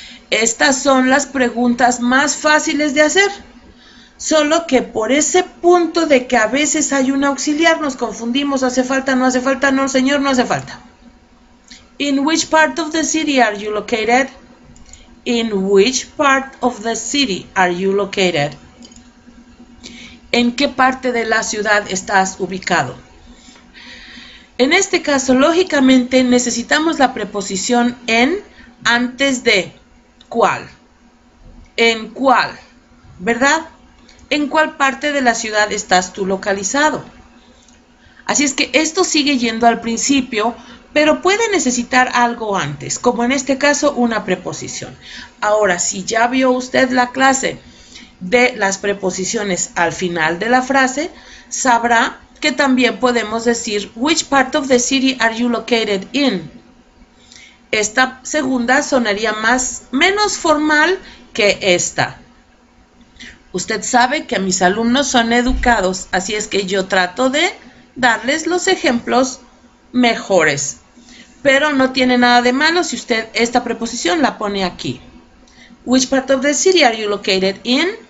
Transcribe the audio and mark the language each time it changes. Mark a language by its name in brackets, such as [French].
[Spanish] Estas son las preguntas más fáciles de hacer. Solo que por ese punto de que a veces hay un auxiliar, nos confundimos, hace falta, no hace falta, no señor, no hace falta. [English] In which part of the city are you located? In which part of the city are you located? [Spanish] ¿En qué parte de la ciudad estás ubicado? En este caso, lógicamente, necesitamos la preposición en antes de ¿cuál? ¿En cuál? ¿Verdad? ¿En cuál parte de la ciudad estás tú localizado? Así es que esto sigue yendo al principio, pero puede necesitar algo antes, como en este caso una preposición. Ahora, si ya vio usted la clase de las preposiciones al final de la frase, sabrá que también podemos decir [English] which part of the city are you located in. [Spanish] Esta segunda sonaría menos formal que esta. Usted sabe que mis alumnos son educados, así es que yo trato de darles los ejemplos mejores. Pero no tiene nada de malo si usted esta preposición la pone aquí. [English] Which part of the city are you located in?